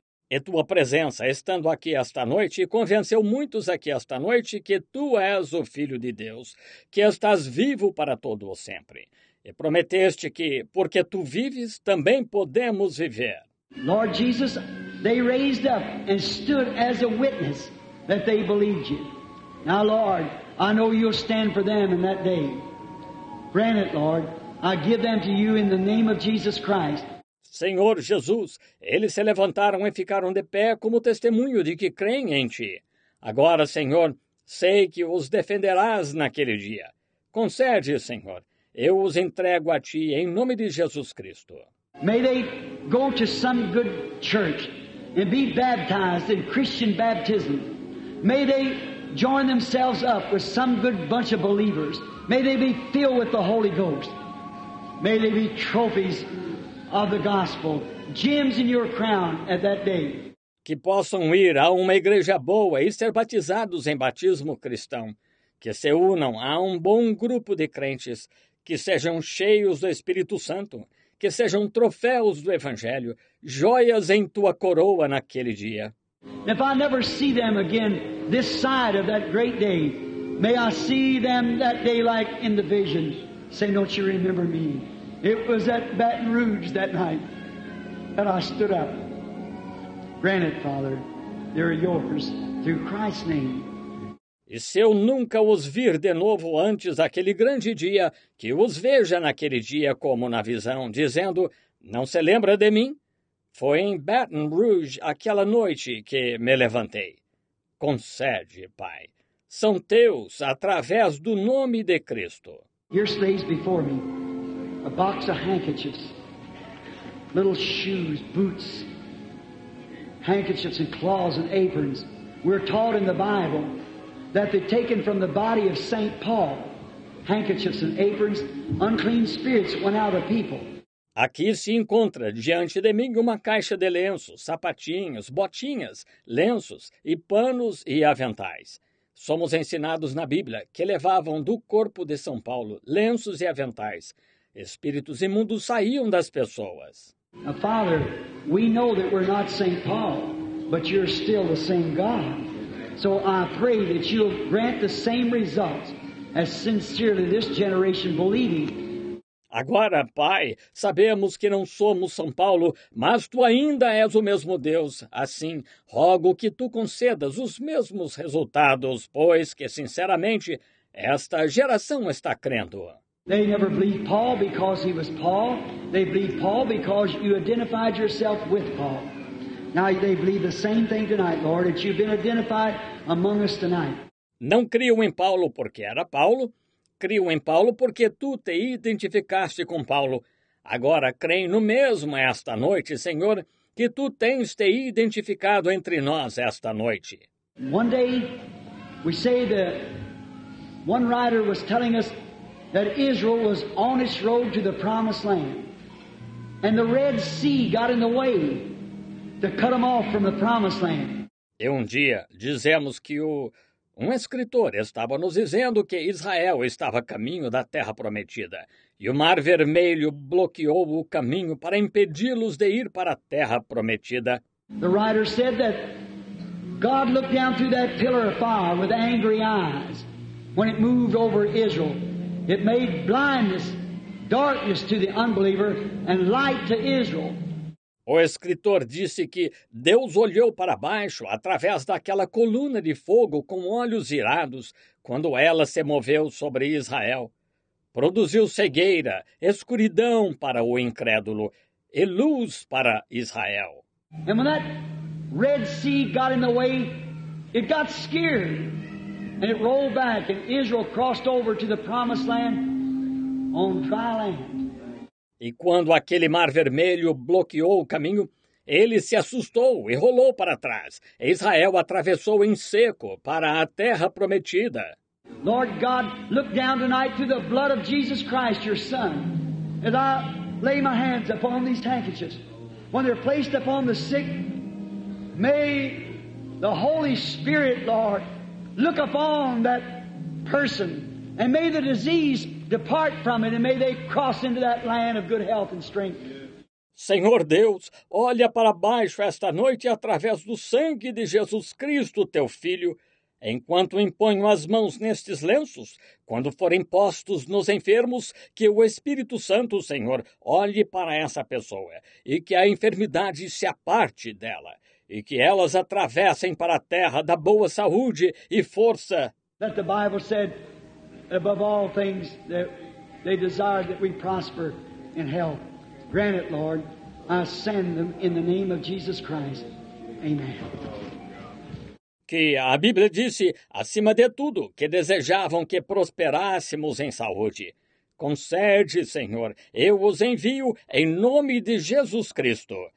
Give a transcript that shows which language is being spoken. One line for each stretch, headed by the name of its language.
Portuguese: E tua presença, estando aqui esta noite, convenceu muitos aqui esta noite que tu és o Filho de Deus, que estás vivo para todo o sempre. E prometeste que, porque tu vives, também podemos viver.
English: Lord Jesus, they raised up and stood as a witness that they believed you. Now, Lord, I know you'll stand for them in that day. Grant it, Lord. I give them to you in the name of Jesus Christ.
Portuguese: Senhor Jesus, eles se levantaram e ficaram de pé como testemunho de que creem em Ti. Agora, Senhor, sei que os defenderás naquele dia. Concede, Senhor, eu os entrego a Ti em nome de Jesus Cristo.
English: May they go to some good church and be baptized in Christian baptism. May they join themselves up with some good bunch of believers. May they be filled with the Holy Ghost. May they be trophies of the gospel, gems in your crown at that day.
Portuguese: Que possam ir a uma igreja boa e ser batizados em batismo cristão. Que se unam a um bom grupo de crentes. Que sejam cheios do Espírito Santo. Que sejam troféus do Evangelho. Joias em tua coroa naquele dia.
English: If I never see them again this side of that great day, may I see them that day like in the vision. Say, don't you remember me? It was at Baton Rouge that night that I stood up. Grant it, Father. They're yours through Christ's name.
Portuguese: E se eu nunca os vir de novo antes daquele grande dia, que os veja naquele dia como na visão, dizendo, não se lembra de mim? Foi em Baton Rouge aquela noite que me levantei. Concede, Pai. São teus através do nome de Cristo.
English: Here stays before me a box of handkerchiefs, little shoes, boots, handkerchiefs and claws and aprons. We're taught in the Bible that they're taken from the body of St. Paul. Handkerchiefs and aprons, unclean spirits went out of people.
Portuguese: Aqui se encontra diante de mim uma caixa de lenços, sapatinhos, botinhas, lenços e panos e aventais. Somos ensinados na Bíblia que levavam do corpo de São Paulo lenços e aventais. Espíritos imundos saíam das pessoas.
English: Now, Father, we know that we're not St. Paul, but you're still the same God. So I pray that you'll grant the same results as sincerely this generation believing.
Portuguese: Agora, Pai, sabemos que não somos São Paulo, mas Tu ainda és o mesmo Deus. Assim, rogo que Tu concedas os mesmos resultados, pois que, sinceramente, esta geração está crendo.
English: They never believed Paul because he was Paul. They believed Paul because you identified yourself with Paul. Now they believe the same thing tonight, Lord, that you've been identified among us tonight.
Portuguese: Não criam em Paulo porque era Paulo. Criam em Paulo porque tu te identificaste com Paulo. Agora creem no mesmo esta noite, Senhor, que tu tens te identificado entre nós esta noite.
English: One day, we say that one writer was telling us that Israel was on its road to the promised land. And the Red Sea got in the way to cut them off from the promised land.
Portuguese: E um dia, dizemos que o... Um escritor estava nos dizendo que Israel estava a caminho da Terra Prometida, e o Mar Vermelho bloqueou o caminho para impedi-los de ir para a Terra Prometida.
English: The writer said that God looked down through that pillar of fire with angry eyes when it moved over Israel. It made blindness, darkness to the unbeliever and light to Israel.
Portuguese: O escritor disse que Deus olhou para baixo através daquela coluna de fogo com olhos irados quando ela se moveu sobre Israel. Produziu cegueira, escuridão para o incrédulo e luz para Israel.
English: And when that Red Sea got in the way, it got scared and it rolled back and Israel crossed over to the Promised Land on dry land.
Portuguese: E quando aquele Mar Vermelho bloqueou o caminho, ele se assustou e rolou para trás. Israel atravessou em seco para a Terra Prometida.
English: Lord God, look down tonight to the blood of Jesus Christ, your Son, as I lay my hands upon these handkerchiefs. When they're placed upon the sick, may the Holy Spirit, Lord, look upon that person and may the disease depart from it and may they cross into that land of good health and strength.
Portuguese: Senhor Deus, olha para baixo esta noite através do sangue de Jesus Cristo, teu filho, enquanto imponho as mãos nestes lenços, quando forem postos nos enfermos, que o Espírito Santo, Senhor, olhe para essa pessoa e que a enfermidade se aparte dela e que elas atravessem para a terra da boa saúde e força.
English: That the Bible said, above all things, that they desire that we prosper in health. Grant it, Lord. I send them in the name of Jesus Christ. Amen.
Portuguese: Que a Bíblia disse, acima de tudo, que desejavam que prosperássemos em saúde. Concede, Senhor, eu os envio em nome de Jesus Cristo.